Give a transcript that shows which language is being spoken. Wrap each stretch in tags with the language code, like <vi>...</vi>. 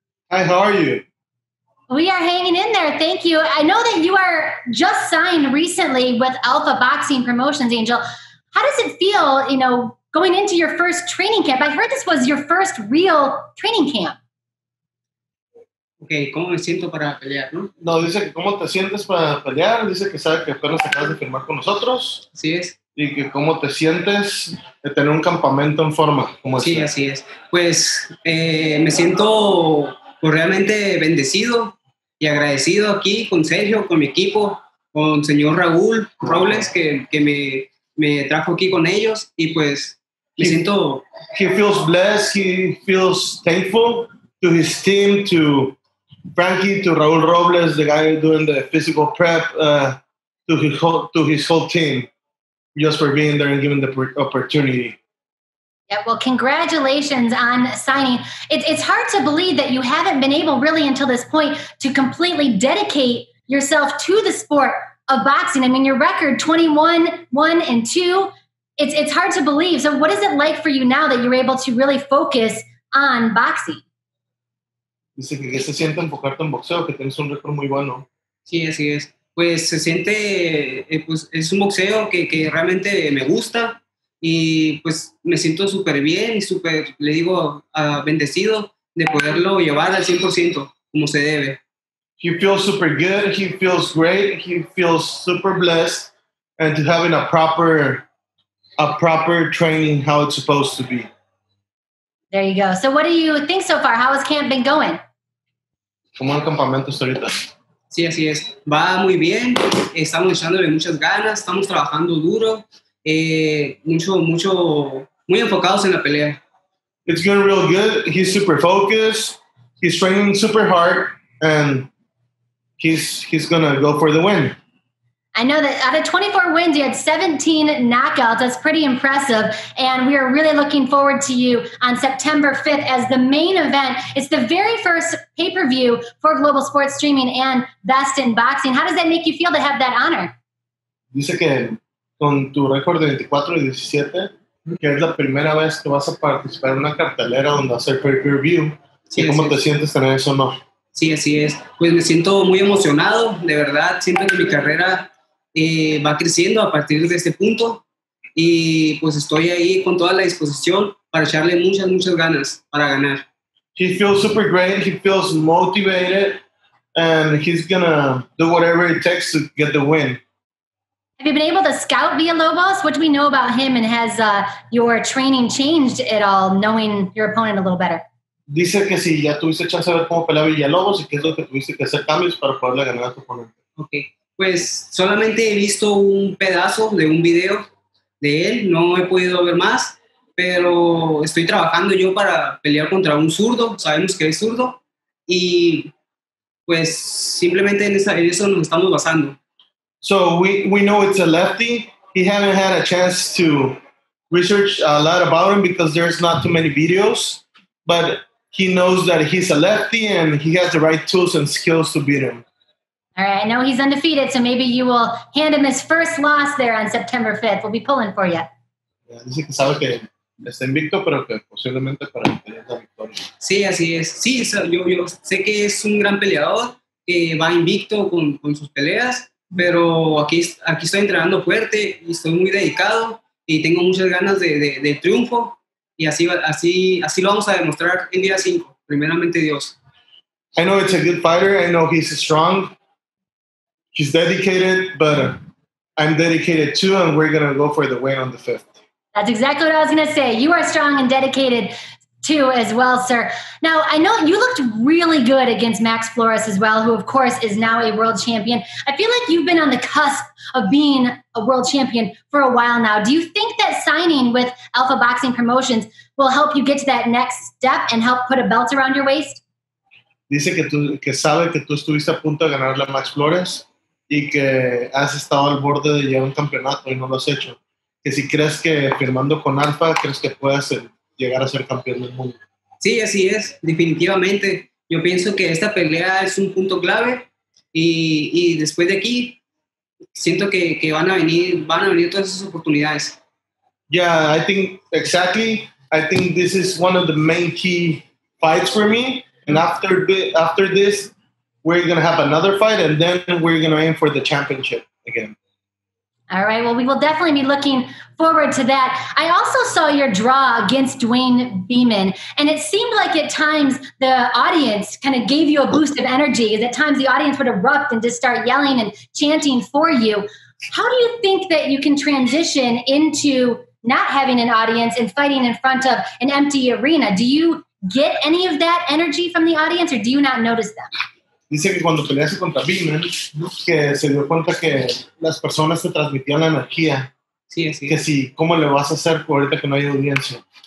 <en>Hi, how are you? We are hanging in there. Thank you. I know that you are just signed recently with Alpha Boxing Promotions, Angel. How does it feel, you know, going into your first training camp? I heard this was your first real training camp.</en> <es>Okay, ¿cómo me siento para pelear, no? No, dice que cómo te sientes para pelear, dice que sabe que apenas acabas de firmar con nosotros. Así es. Y que cómo te sientes de tener un campamento en forma, como sí, este. Así es. Pues me siento realmente bendecido y agradecido aquí con Sergio, con mi equipo, con señor Raúl Robles, que me trajo aquí con ellos, y pues me siento...</es> <en>He feels blessed, he feels thankful to his team, to Frankie, to Raúl Robles, the guy doing the physical prep, to his whole team, just for being there and giving the opportunity. Yeah, well, congratulations on signing. It's hard to believe that you haven't been able, really, until this point, to completely dedicate yourself to the sport of boxing. I mean, your record, 21-1-2, it's hard to believe. So what is it like for you now that you're able to really focus on boxing?</en> <es>Dice que se siente enfocarte en boxeo, que tienes un récord muy bueno. Sí, así es. Pues se siente, pues es un boxeo que realmente me gusta, y pues me siento súper bien y súper, le digo, bendecido de poderlo llevar al 100% como se debe.</es> <en>He feels super good, he feels great, he feels super blessed, and to having a proper training how it's supposed to be. There you go. So what do you think so far? How has camp been going?</en> <es>¿Cómo el campamento está ahorita? Sí, así es. Va muy bien. Estamos echándole muchas ganas. Estamos trabajando duro. Muy enfocados en la pelea.</es> <en>It's going real good. He's super focused. He's training super hard. And he's going to go for the win. I know that out of 24 wins, you had 17 knockouts. That's pretty impressive. And we are really looking forward to you on September 5th as the main event. It's the very first pay-per-view for Global Sports Streaming and Best in Boxing. How does that make you feel to have that honor?</en> <es>Dice que con tu récord de 24-17, que es la primera vez que vas a participar en una cartelera donde hacer pay-per-view. Sí, ¿cómo te sientes tener ese honor? Sí, así es. Pues me siento muy emocionado, de verdad. Siento que mi carrera... va creciendo a partir de este punto, y pues estoy ahí con toda la disposición para echarle muchas, muchas ganas para ganar.</es> <en>He feels super great, he feels motivated, and he's gonna do whatever it takes to get the win. Have you been able to scout Villalobos? What do we know about him, and has your training changed at all, knowing your opponent a little better?</en> <es>Dice que si ya tuviste chance de ver cómo pelea Villalobos, y que es lo que tuviste que hacer cambios para poderle ganar a tu oponente.</es> <en>Okay.</en> <es>Pues solamente he visto un pedazo de un video de él, no he podido ver más, pero estoy trabajando yo para pelear contra un zurdo, sabemos que es zurdo, y pues simplemente en eso nos estamos basando.</es> <en>So we know it's a lefty. He haven't had a chance to research a lot about him because there's not too many videos, but he knows that he's a lefty and he has the right tools and skills to beat him. All right, I know he's undefeated, so maybe you will hand him his first loss there on September 5th. We'll be pulling for you.</en> <es>Yeah, dice que sabe que está invicto, pero que posiblemente para que tenga la victoria. Sí, así es. Sí, yo sé que es un gran peleador, que va invicto con sus peleas, pero aquí estoy entrenando fuerte y estoy muy dedicado y tengo muchas ganas de triunfo, y así lo vamos a demostrar en día 5, primeramente Dios.</es> <en>I know it's a good fighter. I know he's strong. He's dedicated, but I'm dedicated too, and we're going to go for the win on the 5th. That's exactly what I was going to say. You are strong and dedicated too as well, sir. Now, I know you looked really good against Max Flores as well, who, of course, is now a world champion. I feel like you've been on the cusp of being a world champion for a while now. Do you think that signing with Alpha Boxing Promotions will help you get to that next step and help put a belt around your waist?</en> <es>Dice que sabe que tú estuviste a punto de ganar la Max Flores y que has estado al borde de llegar a un campeonato y no lo has hecho. Que si crees que firmando con Alpha, crees que puedas llegar a ser campeón del mundo. Sí, así es, definitivamente. Yo pienso que esta pelea es un punto clave y después de aquí siento que van a venir todas esas oportunidades.</es> <en>Yeah, I think this is one of the main key fights for me. And after this, we're going to have another fight, and then we're going to aim for the championship again. All right. Well, we will definitely be looking forward to that. I also saw your draw against Dwayne Beeman, and it seemed like at times the audience kind of gave you a boost of energy. At times the audience would erupt and just start yelling and chanting for you. How do you think that you can transition into not having an audience and fighting in front of an empty arena? Do you get any of that energy from the audience, or do you not notice them?</en> <es>Dice que cuando peleaste contra Beeman, que se dio cuenta que las personas te transmitían la energía. Sí, así que es. Si, ¿cómo le vas a hacer por ahorita que no hay audiencia?</es>